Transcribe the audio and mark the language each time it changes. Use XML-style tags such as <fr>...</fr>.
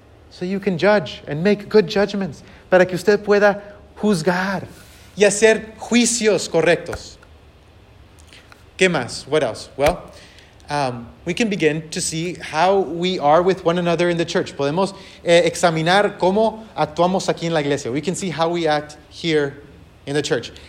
<en>So you can judge and make good judgments.</en> <es>Para que usted pueda juzgar. Y hacer juicios correctos. ¿Qué más?</es> <en>What else? Well, we can begin to see how we are with one another in the church.</en> <es>Podemos examinar cómo actuamos aquí en la iglesia.</es> <en>We can see how we act here in the church.</en>